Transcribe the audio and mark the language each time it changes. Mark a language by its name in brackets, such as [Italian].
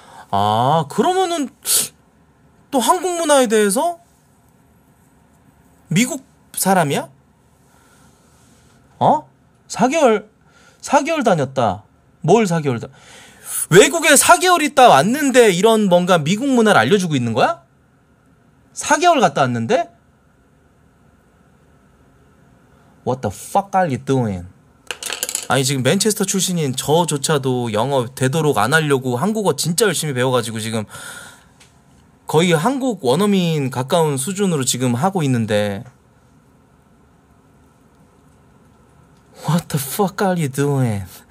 [Korean] 아, 그러면은 또 한국 문화에 대해서 미국 사람이야? 어? 4개월 다녔다. 뭘 4개월 다? 외국에 4개월 있다 왔는데 이런 뭔가 미국 문화를 알려주고 있는 거야? 4개월 갔다 왔는데? [English] What the fuck are you doing? [Korean] 아니 지금 맨체스터 출신인 저조차도 영어 되도록 안 하려고 한국어 진짜 열심히 배워가지고 지금 거의 한국 원어민 가까운 수준으로 지금 하고 있는데 [English] What the fuck are you doing?